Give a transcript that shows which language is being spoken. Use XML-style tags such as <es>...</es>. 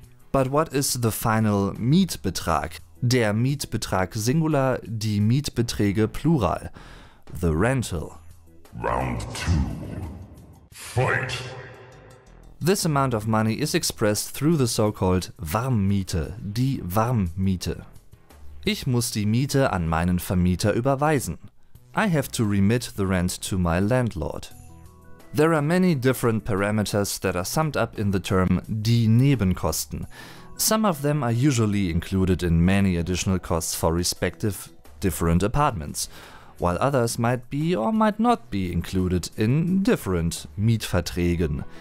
<en>But what is the final Mietbetrag?</en> <de>Der Mietbetrag singular, die Mietbeträge plural.</de> <en>The rental. Round 2. Fight! This amount of money is expressed through the so-called Warmmiete, die Warmmiete.</en> <de>Ich muss die Miete an meinen Vermieter überweisen.</de> <en>I have to remit the rent to my landlord. There are many different parameters that are summed up in the term die Nebenkosten. Some of them are usually included in many additional costs for respective different apartments, while others might be or might not be included in different Mietverträgen.</en>